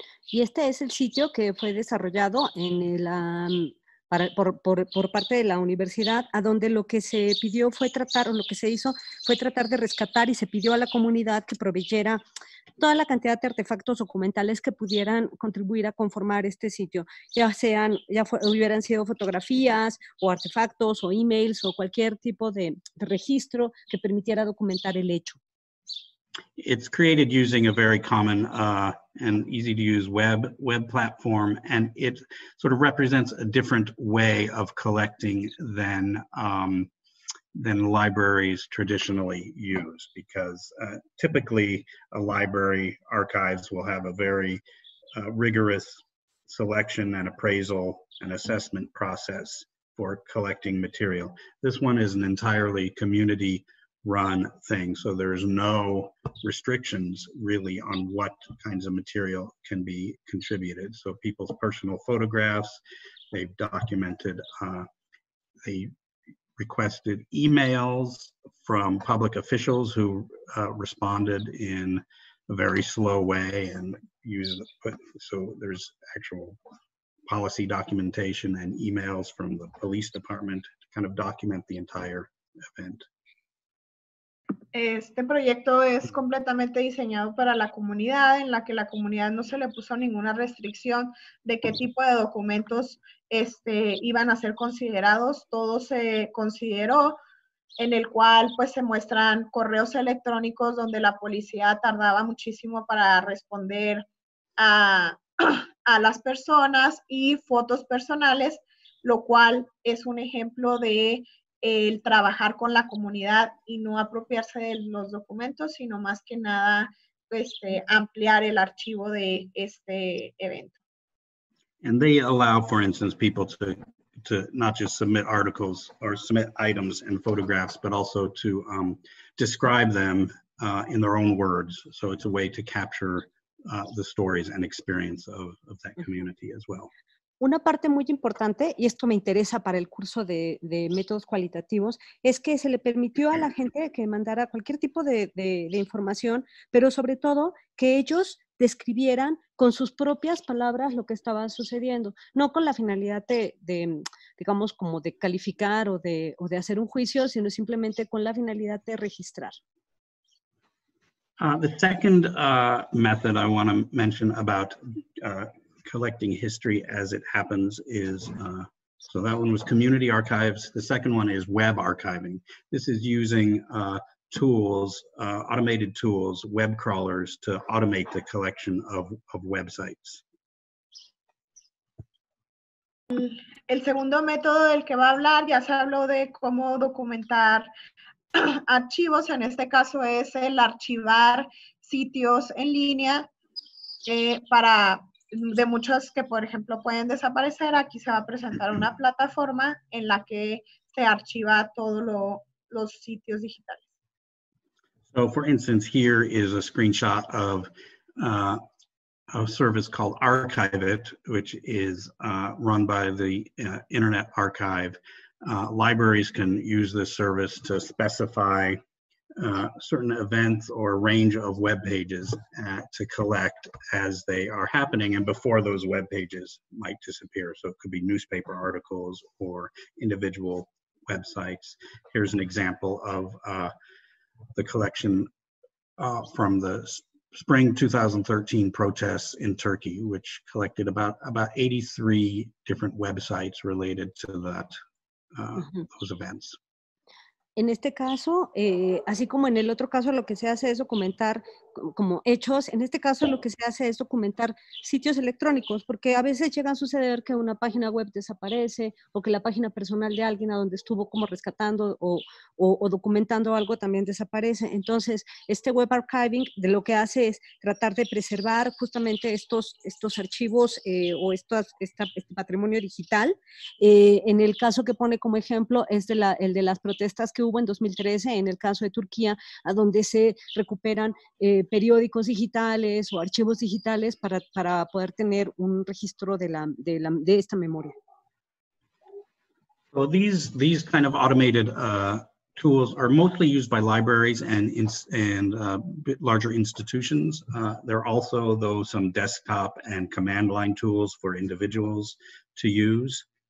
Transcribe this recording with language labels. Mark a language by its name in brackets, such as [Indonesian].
[Spanish] Y este es el sitio que fue desarrollado en el por parte de la universidad, a donde lo que se pidió fue tratar, o lo que se hizo fue tratar de rescatar, y se pidió a la comunidad que proveyera toda la cantidad de artefactos documentales que pudieran contribuir a conformar este sitio, hubieran sido fotografías o artefactos o emails o cualquier tipo de registro que permitiera documentar el hecho. [English] It's created using a very common and easy to use web platform, and it sort of represents a different way of collecting than libraries traditionally use, because typically a library archives will have a very rigorous selection and appraisal and assessment process for collecting material. This one is an entirely community run thing, so there's no restrictions really on what kinds of material can be contributed. So people's personal photographs, they've documented, they requested emails from public officials who responded in a very slow way and so there's actual policy documentation and emails from the police department to kind of document the entire event. [Spanish] Este proyecto es completamente diseñado para la comunidad, en la que la comunidad no se le puso ninguna restricción de qué tipo de documentos iban a ser considerados. Todo se consideró, en el cual pues se muestran correos electrónicos donde la policía tardaba muchísimo para responder a las personas, y fotos personales, lo cual es un ejemplo de el trabajar con la comunidad y no apropiarse de los documentos, sino más que nada ampliar el archivo de este evento. [English] And they allow, for instance, people to not just submit articles or submit items and photographs, but also to describe them in their own words. So it's a way to capture the stories and experience of that community as well. [Spanish] Una parte muy importante, y esto me interesa para el curso de métodos cualitativos, es que se le permitió a la gente que mandara cualquier tipo de información, pero sobre todo que ellos describieran con sus propias palabras lo que estaba sucediendo, no con la finalidad de digamos, como de calificar o de hacer un juicio, sino simplemente con la finalidad de registrar. [English] The second method I want to mention about collecting history as it happens is, so that one was community archives. The second one is web archiving. This is using tools, automated tools, web crawlers, to automate the collection of websites. [Spanish] El segundo método del que va a hablar, ya se habló de cómo documentar archivos, en este caso es el archivar sitios en línea para de muchos que, por ejemplo, pueden desaparecer. Aquí se va a presentar una plataforma en la que se archiva todos los sitios digitales. [English] So, for instance, here is a screenshot of a service called Archiveit, which is run by the Internet Archive. Libraries can use this service to specify certain events or range of web pages to collect as they are happening and before those web pages might disappear. So it could be newspaper articles or individual websites. Here's an example of the collection from the spring 2013 protests in Turkey, which collected about 83 different websites related to that those events. [Spanish] En este caso, así como en el otro caso lo que se hace es documentar como hechos, en este caso lo que se hace es documentar sitios electrónicos, porque a veces llega a suceder que una página web desaparece o que la página personal de alguien a donde estuvo como rescatando o documentando algo también desaparece. Entonces, este web archiving de lo que hace es tratar de preservar justamente estos archivos o este patrimonio digital. En el caso que pone como ejemplo es el de las protestas que hubo en 2013 en el caso de Turquía, a donde se recuperan periódicos digitales o archivos digitales para poder tener un registro de esta memoria. [English] So these kind of automated tools are mostly used by libraries and larger institutions. There are also, though, some desktop and command line tools for individuals to use.